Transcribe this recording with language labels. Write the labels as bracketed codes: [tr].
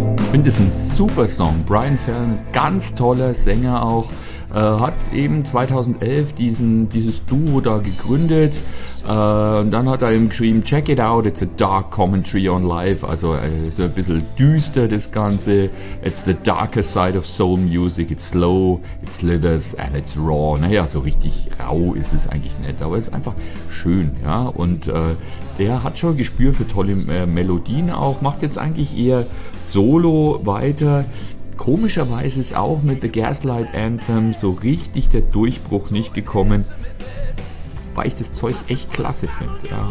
[de] finde es ein super Song. Brian Ferry, ganz toller Sänger auch, hat eben 2011 dieses Duo da gegründet. Und dann hat er eben geschrieben, [en] check it out, it's a dark commentary on life. [de] Also so ein bisschen düster das Ganze. [en] It's the darker side of soul music. It's slow, it slithers and it's raw. [de] Naja, so richtig rau ist es eigentlich nicht, aber es ist einfach schön. Ja. Und der hat schon Gespür für tolle Melodien auch. Macht jetzt eigentlich eher Solo weiter. Komischerweise ist auch mit The Gaslight Anthem so richtig der Durchbruch nicht gekommen, weil ich das Zeug echt klasse finde. Ja.